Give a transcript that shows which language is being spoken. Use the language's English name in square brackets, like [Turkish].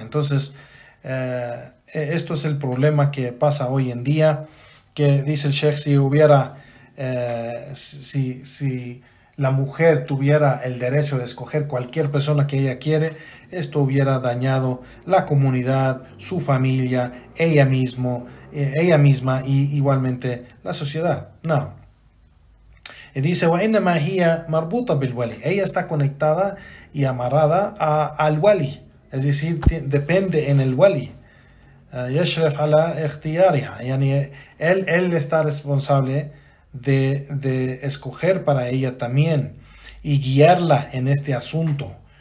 [Spanish] Entonces, esto es el problema que pasa hoy en día, que dice el Sheikh, si la mujer tuviera el derecho de escoger cualquier persona que ella quiere, esto hubiera dañado la comunidad, su familia, ella misma y igualmente la sociedad. No. Y dice, [Arabic] وَإِنَّمَا هِيَ مَرْبُوطَ بِالْوَلِي. [Spanish] Ella está conectada y amarrada al wali. Es decir, depende en el wali. [Arabic] يَشْرَفْ عَلَى اِخْتِيَارِهَا. [Spanish] Yani, él está responsable de escoger para ella también y guiarla en este asunto.